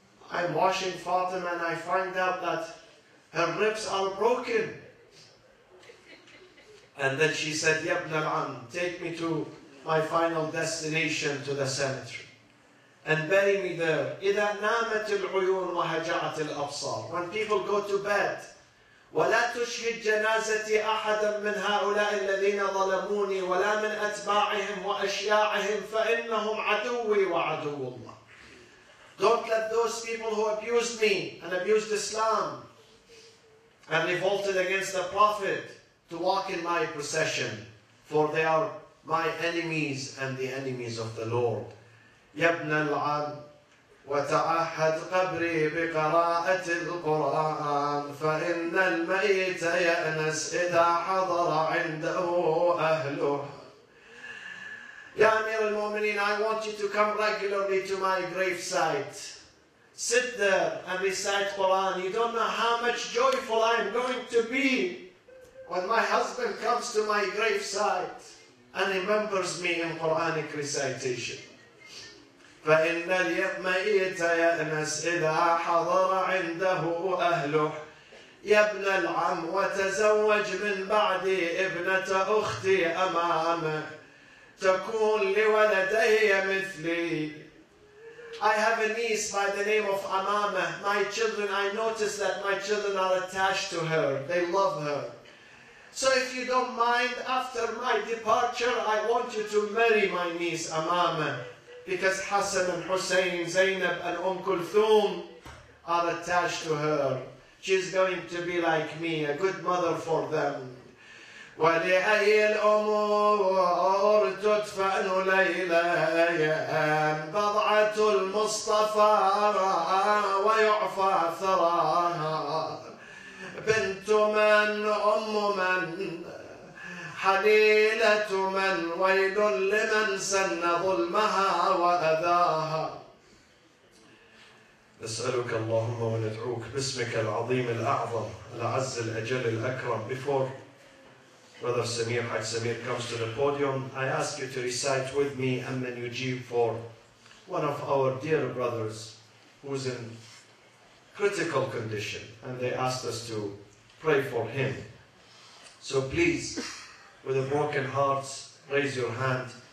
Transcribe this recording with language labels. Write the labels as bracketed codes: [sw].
[en] I'm washing Fatima and I find out that her ribs are broken. And then she said, [ar] Ya Ibn al-Am, [en] take me to my final destination, to the cemetery. And bury me there. [ar] Idha namat al-uyun wa haja'at al-absar. [en] When people go to bed, [ar] وَلَا تُشْهِدْ جَنَازَتِي أَحَدًا مِّنْ هَؤُلَاءِ الَّذِينَ ظَلَمُونِي وَلَا مِنْ أَتْبَاعِهِمْ وَأَشْيَاعِهِمْ فَإِنَّهُمْ عَدُوِّي وَعَدُوُّ اللَّهِ. [en] Don't let those people who abused me and abused Islam and revolted against the Prophet to walk in my procession, for they are my enemies and the enemies of the Lord. [ar] يَبْنَ الْعَمْ وتعهد قبري بقراءة القرآن فإن الميت يأنس إذا حضر عنده أهله. يا أمير المؤمنين, [en] I want you to come regularly to my gravesite. Sit there and recite Quran. You don't know how much joyful I am going to be when my husband comes to my gravesite and remembers me in Quranic recitation. [ar] فَإِنَّ الْيَمَيْتَ يَأْنَسْ إِذَا حَضَرَ عِنْدَهُ أَهْلُهُ. يَا ابْنَ الْعَمْ وَتَزَوَّجْ مِنْ بَعْدِي إِبْنَةَ أُخْتِي أَمَامَهُ تَكُونْ لِوَلَدَيَّ مِثْلِي. [en] I have a niece by the name of Amama. My children, I notice that my children are attached to her. They love her. So if you don't mind, after my departure, I want you to marry my niece Amama. Because Hassan and Hussein, Zainab and Kulthum are attached to her. She's going to be like me, a good mother for them. [ar] وَلِأَيِّ الْأُمُورِ تُدْفَأْنُ لَيْلَيَّاً بَضْعَةُ الْمُصْطَفَى رَعَى وَيُعْفَى ثَرَاهَا بِنْتُ مَنْ أُمُّ مَنْ حليلة من ويل لمن سن ظلمها وأذاها. نسألك اللهم وندعوك باسمك العظيم الأعظم العز الأجل الأكرم. [en] Before Brother Samir, Haj Samir comes to the podium. I ask you to recite with me Amman Yujib for one of our dear brothers who's in critical condition, and they asked us to pray for him. So please, with a broken heart, raise your hand.